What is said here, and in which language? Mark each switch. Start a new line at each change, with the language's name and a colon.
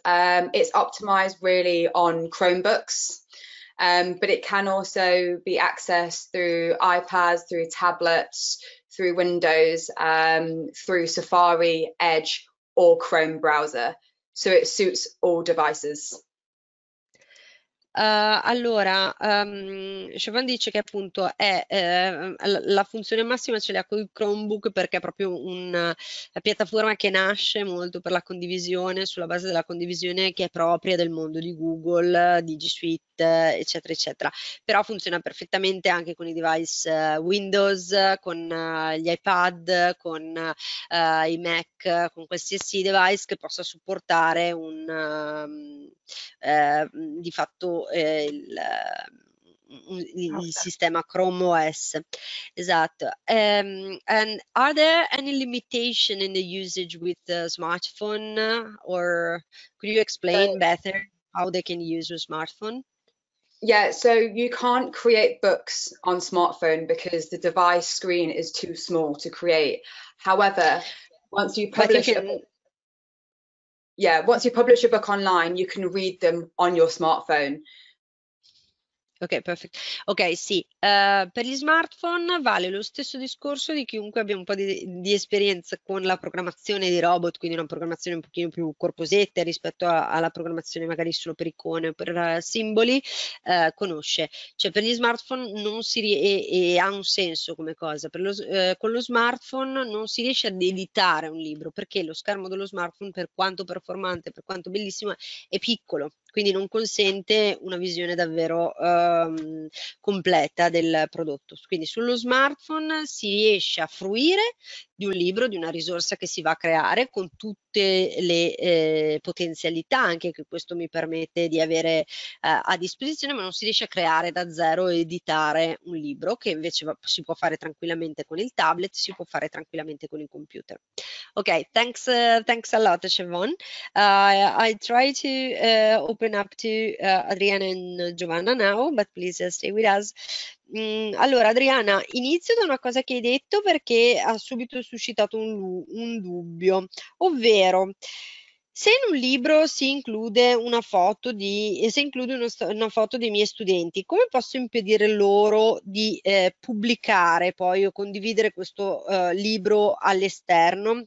English: It's optimized really on Chromebooks, but it can also be accessed through iPads, through tablets, through Windows, through Safari, Edge, or Chrome browser. So it suits all devices.
Italian: Allora, Siobhan dice che appunto è la funzione massima ce l'ha con il Chromebook, perché è proprio una piattaforma che nasce molto per la condivisione, sulla base della condivisione che è propria del mondo di Google, di G Suite, eccetera, eccetera. Però funziona perfettamente anche con i device Windows, con gli iPad, con i Mac, con qualsiasi device che possa supportare un di fatto il sistema Chrome OS. Esatto.
English: And are there any limitation in the usage with the smartphone, or could you explain better how they can use a smartphone? Yeah, so you can't create books on smartphone because the device screen is too small to create. However, once you publish once you publish a book online, you can read them on your smartphone. Ok, perfect. Ok, sì,
Italian: Per gli smartphone vale lo stesso discorso di chiunque abbia un po' di esperienza con la programmazione di robot, quindi una programmazione un pochino più corposetta rispetto alla programmazione magari solo per icone o per simboli, conosce. Cioè per gli smartphone non si e ha un senso come cosa. Con lo smartphone non si riesce ad editare un libro perché lo schermo dello smartphone, per quanto performante, per quanto bellissimo, è piccolo. Quindi non consente una visione davvero completa del prodotto. Quindi sullo smartphone si riesce a fruire di un libro, di una risorsa che si va a creare con tutte le potenzialità, anche che questo mi permette di avere a disposizione, ma non si riesce a creare da zero e editare un libro, che invece si può fare tranquillamente con il tablet, si può fare tranquillamente con il computer.
English: Ok, thanks a lot, Siobhan. I try to open up to Adriana and Giovanna now, but please stay with us.
Italian: Allora, Adriana, inizio da una cosa che hai detto perché ha subito suscitato un dubbio, ovvero se in un libro si include se include una foto dei miei studenti, come posso impedire loro di pubblicare poi o condividere questo libro all'esterno?